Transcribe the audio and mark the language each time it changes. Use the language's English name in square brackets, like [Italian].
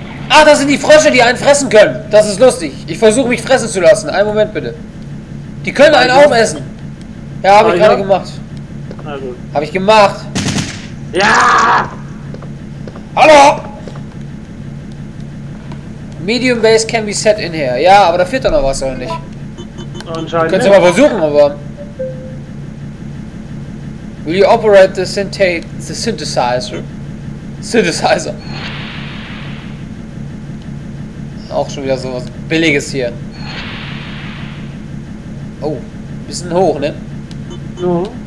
[German] Ah, das sind die Frösche, die einen fressen können. Das ist lustig. Ich versuche mich fressen zu lassen. Einen Moment bitte. Die können einen aufessen. Ja, habe ich gerade gemacht. Also. Habe ich gemacht. Ja! Hallo! [English] Medium Base can be set in here. [German] Ja, aber da fehlt doch noch was, oder nicht? Anscheinend. Könntest du mal versuchen, aber. [English] Will you operate the synthesizer? [German] Synthesizer. Auch schon wieder sowas Billiges hier. Oh, bisschen hoch, ne? Ja.